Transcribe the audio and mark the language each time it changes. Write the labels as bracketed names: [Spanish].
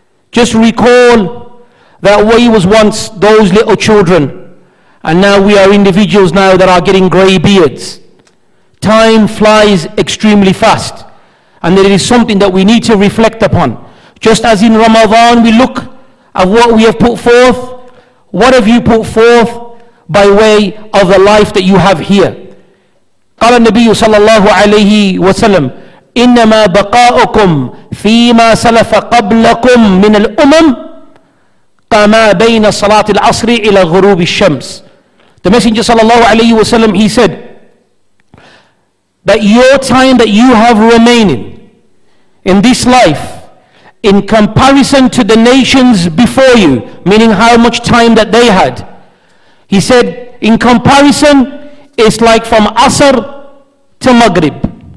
[English] Just recall that we was once those little children, and now we are individuals now that are getting grey beards. Time flies extremely fast, and it is something that we need to reflect upon. Just as in Ramadan we look at what we have put forth, what have you put forth by way of the life that you have here? [Arabic] قال النبي صلى الله عليه وسلم إنما بقاؤكم فيما سلف قبلكم من الأمم قام بين صلاة العصر إلى غروب الشمس. [English] The Messenger صلى الله عليه وسلم, he said that your time that you have remaining in this life in comparison to the nations before you, meaning how much time that they had, he said in comparison it's like from Asr to Maghrib.